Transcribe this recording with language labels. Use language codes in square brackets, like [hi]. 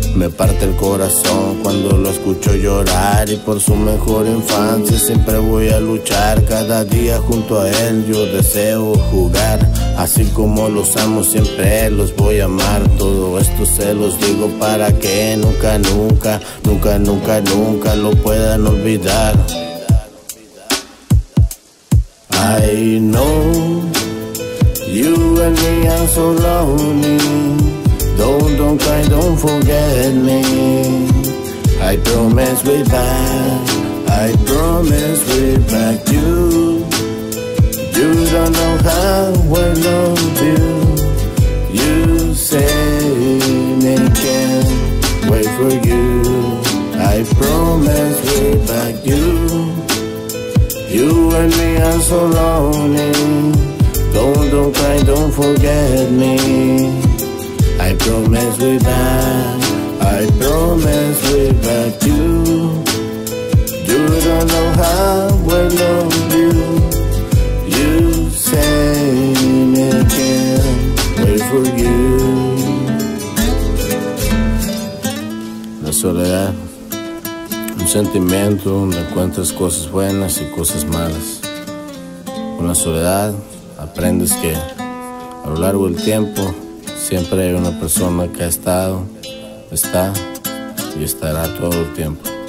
[es] Me parte el corazón cuando lo escucho llorar, y por su mejor infancia siempre voy a luchar. Cada día junto a él yo deseo jugar, así como los amo siempre los voy a amar. Todo esto se los digo para que nunca, nunca, nunca, nunca, nunca lo puedan olvidar. [en] I know you and me are so lonely. Don't cry, don't forget me. I promise we're back. I promise we're back. You don't know how I love you. You say me can't wait for you. I promise we're back. You and me are so lonely. Don't cry, don't forget me. I promise we're back. I promise we're back. You don't know how I love you. You say me can't wait for you. [es] La soledad, un sentimiento donde encuentras cosas buenas y cosas malas. Con la soledad aprendes que a lo largo del tiempo siempre hay una persona que ha estado, está y estará todo el tiempo.